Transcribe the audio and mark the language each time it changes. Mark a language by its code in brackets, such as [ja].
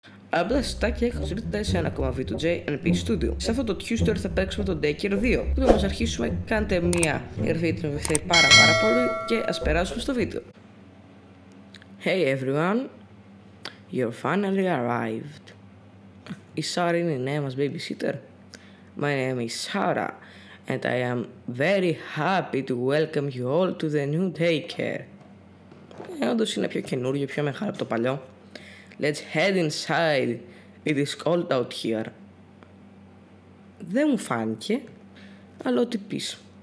[el] Απλά σωστάκι έχω ζήτητα σε ένα ακόμα βίντεο του J&PStudio. Σε αυτό το Tuesday θα παίξουμε τον Daycare 2. Πριν μας αρχίσουμε, κάντε μία εγγραφή γιατί με βοηθάει πάρα πολύ και ας περάσουμε στο βίντεο. [en] Hey everyone, you're finally arrived. [el] Η Σάρα είναι η νέα μας babysitter. [en] My name is Sarah and I am very happy to welcome you all to the new Daycare. [el] Όντως είναι πιο καινούργιο, πιο μεγάλο από το παλιό. [en] Let's head inside. It is cold out here. [el] Δεν μου φάνηκε, αλλά ό,τι πεις.